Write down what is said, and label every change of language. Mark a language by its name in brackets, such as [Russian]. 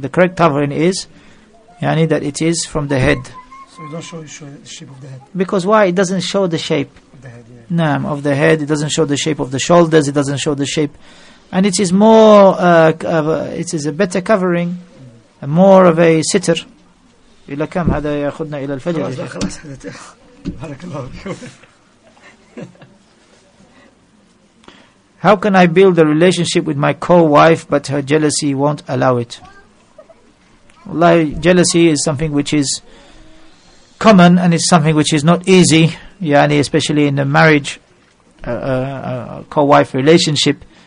[English] The correct covering is, yani, that it is from the head. So you don't show you show the shape of the head. Because why? It doesn't show the shape of the head. Yeah. No, of the head. It doesn't show the shape of the shoulders. It doesn't show the shape, and it is more. It is a better covering, more of a sitter. [Arabic] إلى كم هذا يأخذنا إلى الفجر؟ خلاص خلاص هذا بارك الله فيك. [English] How can I build a relationship with my co-wife but her jealousy won't allow it? Like, jealousy is something which is common and it's something which is not easy, yani, especially in a marriage, co-wife relationship.